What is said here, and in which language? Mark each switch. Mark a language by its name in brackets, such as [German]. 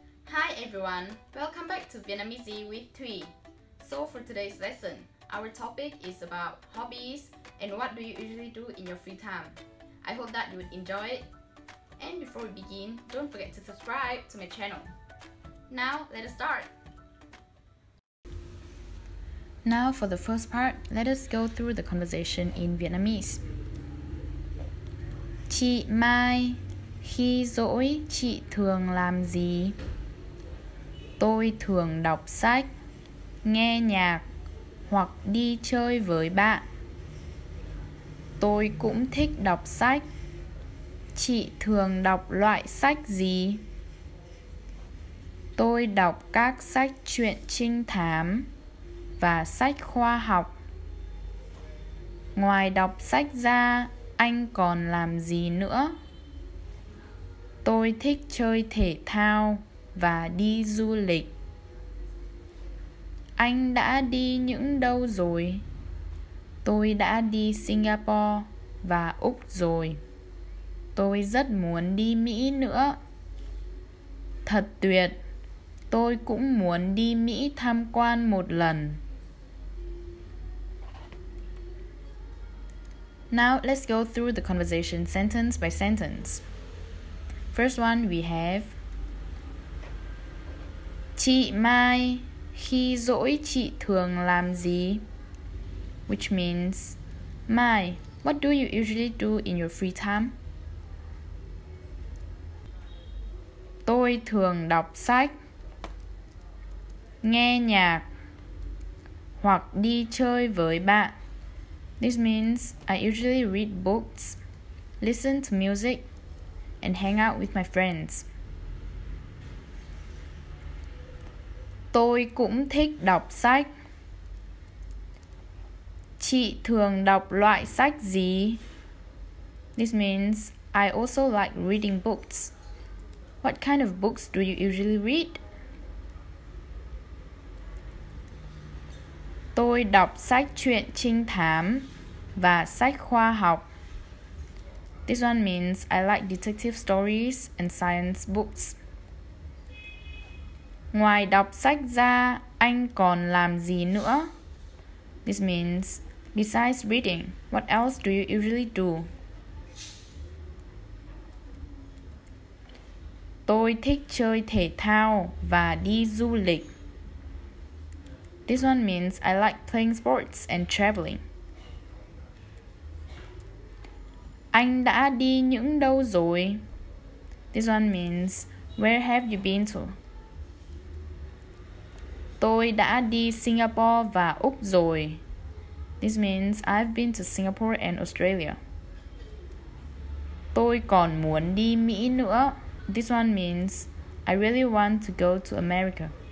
[English] Hi everyone, welcome back to Vietnamese with Thuy. So for today's lesson, our topic is about hobbies and what do you usually do in your free time. I hope that you would enjoy it. And before we begin, don't forget to subscribe to my channel. Now, let us start. Now for the first part, let us go through the conversation in Vietnamese. [Vietnamese] Chị Mai, khi rỗi chị thường làm gì? Tôi thường đọc sách, nghe nhạc hoặc đi chơi với bạn. Tôi cũng thích đọc sách. Chị thường đọc loại sách gì? Tôi đọc các sách truyện trinh thám và sách khoa học. Ngoài đọc sách ra, anh còn làm gì nữa? Tôi thích chơi thể thao và đi du lịch. Anh đã đi những đâu rồi? Tôi đã đi Singapore và Úc rồi. Tôi rất muốn đi Mỹ nữa. Thật tuyệt! Tôi cũng muốn đi Mỹ tham quan một lần. [English] Now, let's go through the conversation sentence by sentence. First one, we have [Vietnamese] Chị Mai, khi rỗi chị thường làm gì? [English] Which means Mai, what do you usually do in your free time? [Vietnamese] Tôi thường đọc sách, nghe nhạc, hoặc đi chơi với bạn. [English] This means I usually read books, listen to music, and hang out with my friends. [Vietnamese] Tôi cũng thích đọc sách. Chị thường đọc loại sách gì? [English] This means I also like reading books. What kind of books do you usually read? [Vietnamese] Tôi đọc sách truyện trinh thám và sách khoa học. [English] This one means I like detective stories and science books. [Vietnamese] Ngoài đọc sách ra, anh còn làm gì nữa? [English] This means, besides reading, what else do you usually do? [Vietnamese] Tôi thích chơi thể thao và đi du lịch. [English] This one means I like playing sports and traveling. [Vietnamese] Anh đã đi những đâu rồi? [English] This one means, where have you been to? [Vietnamese] Tôi đã đi Singapore và Úc rồi. [English] This means, I've been to Singapore and Australia. [Vietnamese] Tôi còn muốn đi Mỹ nữa. [English] This one means, I really want to go to America.